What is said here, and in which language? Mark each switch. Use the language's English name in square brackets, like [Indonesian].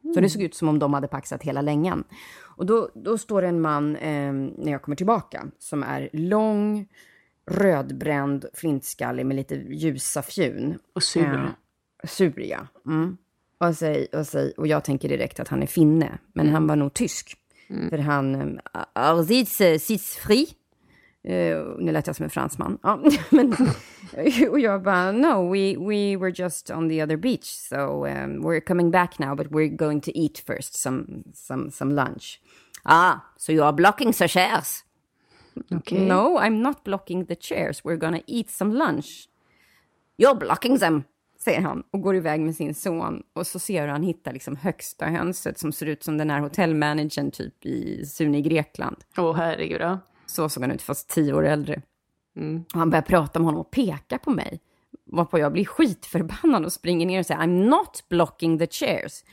[Swedish] Så det såg ut som om de hade paxat hela längen. Och då står en man, när jag kommer tillbaka, som är lång, rödbränd, flintskallig med lite ljusa fjun. Och sur. Sur, ja. Mm. Och jag tänker direkt att han är finne. Men han var nog tysk. Mm. För han... [German] sitz fri. [Swedish] Nu lät jag som en fransman. Ja, men, och jag bara, [English] no, we were just on the other beach. So we're coming back now, but we're going to eat first some lunch. Ah, so you are blocking the chairs. Okay. No, I'm not blocking the chairs. We're gonna eat some lunch. You're blocking them, [Swedish] säger han. Och går iväg med sin son. Och så ser han hitta liksom högsta hönset som ser ut som den här hotellmanagern typ i Sunni Grekland. Åh, herregud då. Så såg han ut, fast 10 år äldre. Mm. Och han börjar prata med honom och peka på mig. Varpå jag blir skitförbannad och springer ner och säger, [English] I'm not blocking the chairs.